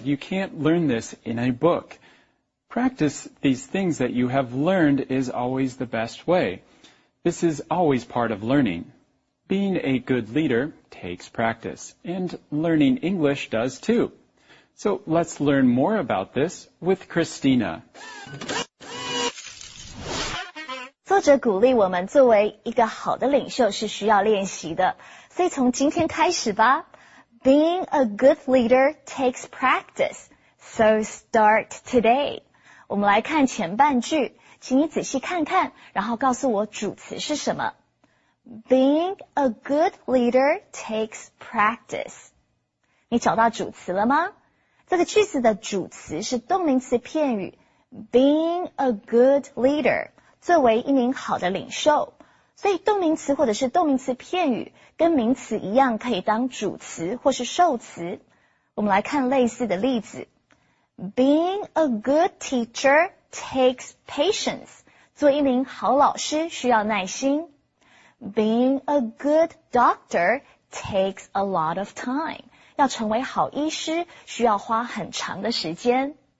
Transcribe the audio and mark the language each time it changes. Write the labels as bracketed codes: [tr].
[en] You can't learn this in a book. Practice these things that you have learned is always the best way. This is always part of learning. Being a good leader takes practice, and learning English does too. So let's learn more about this with Christina. [zh] 作者鼓励我们作为一个好的领袖是需要练习的，所以从今天开始吧。 [en] Being a good leader takes practice, so start today. [zh] 我们来看前半句，请你仔细看看，然后告诉我主词是什么。 [en] Being a good leader takes practice. [zh] 你找到主词了吗？这个句子的主词是动名词片语 being a good leader, 作为一名好的领袖。所以动名词或者是动名词片语跟名词一样可以当主词或是受词。我们来看类似的例子。 [en] Being a good teacher takes patience. [zh] 做一名好老师需要耐心。 [en] Being a good doctor takes a lot of time. [zh] 要成为好医师需要花很长的时间。